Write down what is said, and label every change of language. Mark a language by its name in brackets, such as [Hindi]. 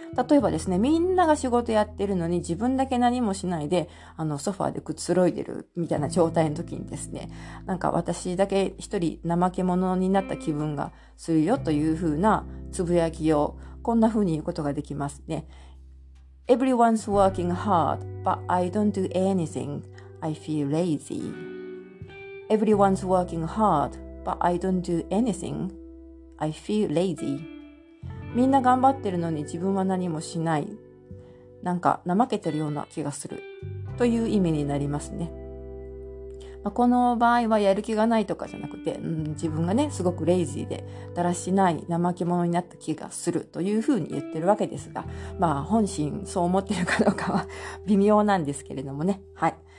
[Japanese] 例えばですね、みんなが仕事やってるのに自分だけ何もしないでソファーでくつろいでるみたいな状態の時にですね、なんか私だけ一人怠け者になった気分がするよというふうなつぶやきを、こんなふうに言うことができますね。 [English] Everyone's working hard but I don't do anything. I feel lazy. Everyone's working hard but I don't do anything. I feel lazy. [Japanese] みんな頑張ってるのに自分は何もしない。なんか怠けてるような気がする。という意味になりますね。まあ、この場合はやる気がないとかじゃなくて、自分がね、すごくレイジーで、だらしない、怠け者になった気がするというふうに言ってるわけですが、まあ本心そう思ってるかどうかは微妙なんですけれどもね。はい。